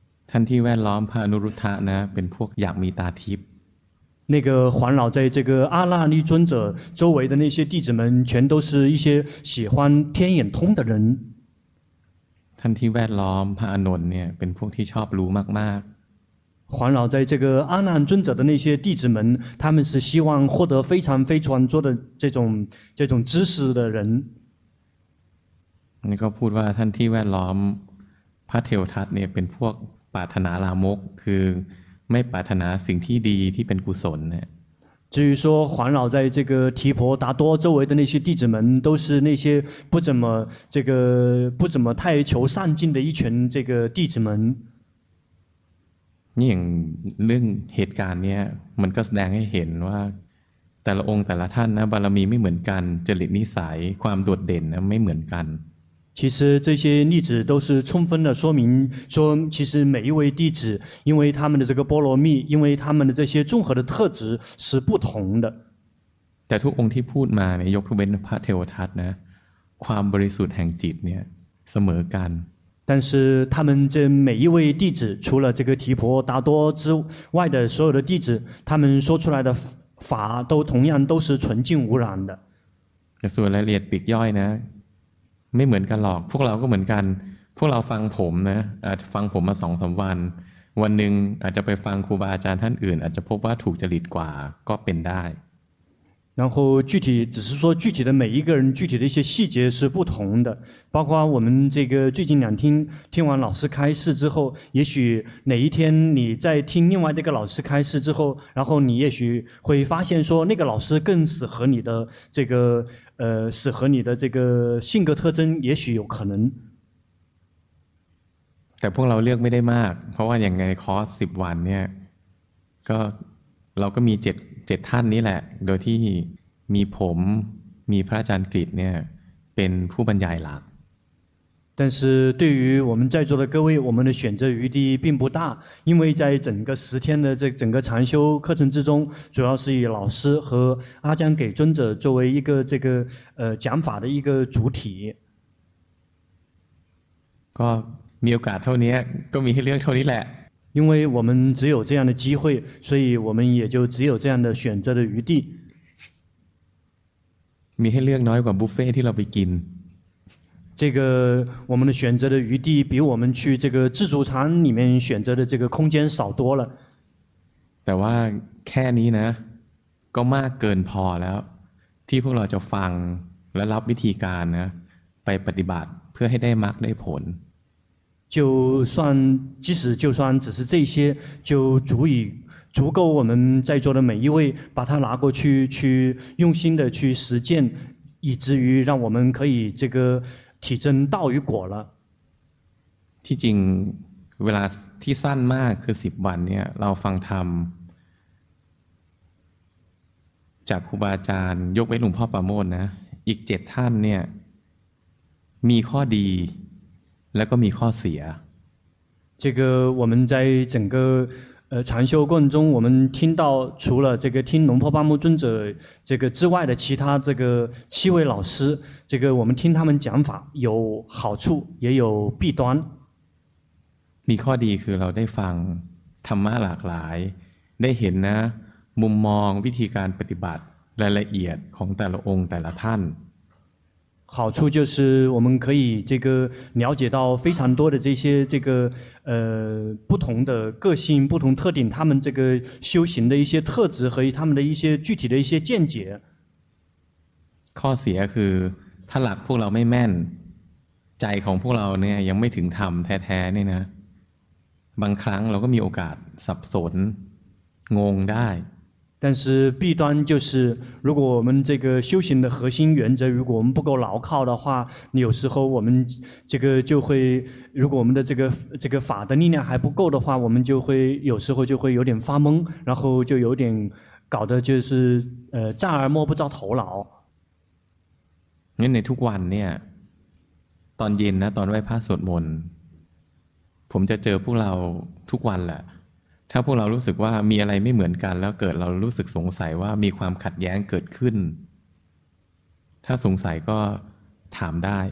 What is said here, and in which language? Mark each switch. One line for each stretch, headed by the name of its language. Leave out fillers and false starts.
Thai: ท่านที่แวดล้อมพระอนุรุทธะนะเป็นพวกอยากมีตาทิพย์
Chinese: 那个环绕在这个阿那利尊者周围的那些弟子们，全都是一些喜欢天眼通的人。
Thai: ท่านที่แวดล้อมพระอานนท์เนี่ยเป็นพวกที่ชอบรู้มากๆ
Chinese: 环绕在这个阿难尊者的那些弟子们，他们是希望获得非常非常多的这种知识的人。那个
Thai: พูดว่าท่านที่แวดล้อมพระเทวทัตเนี่ยเป็นพวกปรารถนาลามกคือไม่ปรารถนาสิ่งที่ดีที่เป็นกุศลเนี่ย
Chinese: 至于说环绕在这个提婆达多周围的那些弟子们，都是那些不怎么太求上进的一群这个弟子们。
Thai: นี่อย่างเรื่องเหตุการณ์เนี้ยมันก็แสดงให้เห็นว่าแต่ละองค์แต่ละท่านนะบารมีไม่เหมือนกันจริตนิสัยความโดดเด่นนะไม่เหมือนกัน
Chinese: 其实这些例子都是充分的说明说其实每一位弟子因为他们的这个波罗蜜因为他们的这些综合的特质是不同的
Thai: แต่ทุกองค์ที่พูดมาเนี่ยยกเว้นพระเทวทัตนะความบริสุทธิ์แห่งจิตเนี่ยเสมอกัน
Chinese: 但是他们这每一位弟子除了这个提婆达多之外的所有的弟子他们说出来的法都同样都是纯净无染的
Thai: ส่วนรายละเอียดปลีกย่อยนะไม่เหมือนกันหรอกพวกเราก็เหมือนกันพวกเราฟังผมนะอาจจะฟังผมมา 2-3 วันวันหนึ่งอาจจะไปฟังครูบาอาจารย์ท่านอื่นอาจจะพบว่าถูกจริตกว่าก็เป็นได้
Chinese: 然后具体只是说具体的每一个人具体的一些细节是不同的包括我们这个最近两天听完老师开示之后也许哪一天你在听另外那个老师开示之后然后你也许会发现说那个老师更适合你的这个适合你的这个性格特征也许有可能
Thai: แต่พวกเราเลือกไม่ได้มากเพราะว่าอย่างไงคอร์ส10วันเนี่ยก็เราก็มี7ท่านนี้แหละโดยที่มีผมมีพระอาจารย์กฤตเนี่ยเป็นผู้บรรยายหลัก
Chinese: 但是对于我们在座的各位我们的选择余地并不大因为在整个十天的这整个禅修课程之中主要是以老师和阿姜给尊者作为一个这个讲法的一个主体
Thai: ก็มีโอกาสเท่านี้ก็มีให้เลือกเท่านี้แหละ
Chinese: 因为我们只有这样的机会所以我们也就只有这样的选择的余地
Thai: มีให้เลือกน้อยกว่าบุฟเฟ่ที่เราไปกิน
Chinese: 这个我们的选择的余地比我们去这个自助餐里面选择的这个空间少多了
Thai: แต่ว่าแค่นี้นะก็มากเกินพอแล้วที่พวกเราจะฟังและรับวิธีการนะไปปฏิบัติเพื่อให้ได้มรรคได้ผล
Chinese: 就算即使就算只是这些就足够我们在座的每一位把它拿过去去用心的去实践以至于让我们可以这个体证道与果了
Thai: ที่จริงเวลาที่สั้นมากคือ10วันเนี่ยเราฟังธรรมจากครูบาอาจารย์ยกไว้หลวงพ่อประโมทนะอีก7ท่านเนี่ยมีข้อดีแล้วก็มีข้อเสีย
Chinese: 这个我们在整个禅修过程中我们听到除了这个听龙婆巴木尊者这个之外的其他这个七位老师这个我们听他们讲法有好处也有弊端
Thai: มีข้อดีคือเราได้ฟังธรรมะหลากหลายได้เห็นนะมุมมองวิธีการปฏิบัติรายละเอียดของแต่ละองค์แต่ละท่าน
Chinese: 好处就是我们可以这个了解到非常多的这些这个不同的个性不同特点他们这个修行的一些特质和他们的一些具体的一些见解
Thai: ข้อเสียคือถ้าหลักพวกเราไม่แม่นใจของพวกเราเนี่ยยังไม่ถึงธรรมแท้ๆเนี่ยนะบางครั้งเราก็มีโอกาสสับสนงงได้
Chinese: 但是弊端就是如果我们这个修行的核心原则如果我们不够牢靠的话有时候我们这个就会如果我们的这个法的力量还不够的话我们就会有时候就会有点发懵然后就有点搞得就是障而摸不着头脑因为
Thai: ในทุกวันเนี่ยตอนเย็นนะตอนไหว้พระสวดมนต์ผมจะเจอพวกเราทุกวันแหละถ้าพวกเรารู้สึกว่ามีอะไรไม่เหมือนกันแล้วเกิดเรารู้สึกสงสัยว่ามีความขัดแย้งเกิดขึ้นถ้าสงสัยก็ถามได